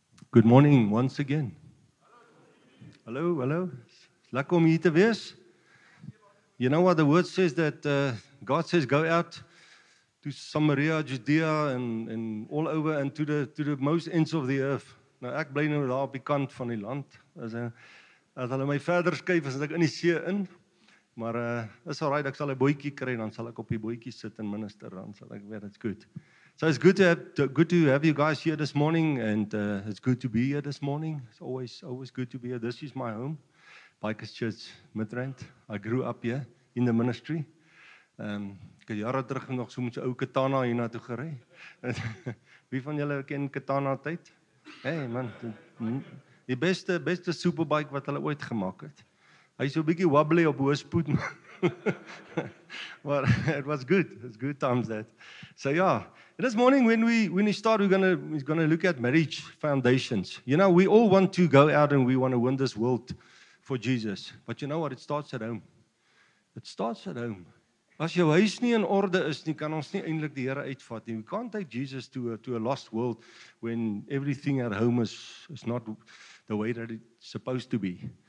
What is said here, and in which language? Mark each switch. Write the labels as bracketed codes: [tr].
[en] Good morning once again. Hello, hello. [af] Lekker om hier te wees. [en] You know what the word says, that God says go out to Samaria, Judea and all over and to the most ends of the earth. [af] Nou ek bly nou daar op die kant van die land. As hulle my verder skuif as ek in die see in. Maar is al right, ek sal 'n bootjie kry, dan sal ek op die bootjie sit en minister, dan sal ek weet dit's goed. [en] So it's good to have you guys here this morning, and it's good to be here this morning. It's always good to be here. This is my home, Bikers Church Midrand. I grew up here in the ministry. [af] Ek het jare terug nog so met 'n ou katana hiernatoe gery. Wie van julle ken katana tyd? Hey man, die beste superbike wat hulle ooit gemaak het. Hy's so 'n bietjie wobbly op hoë spoed, man. [en] Well, it was good. It's good times that. So yeah, this morning when we start, we're gonna look at marriage foundations. You know, we all want to go out and we want to win this world for Jesus. But you know what? It starts at home. It starts at home. [af] As jou huis nie in orde is nie, kan ons nie eintlik die Here uitvat nie. [en] We can't take Jesus to a lost world when everything at home is not the way that it's supposed to be.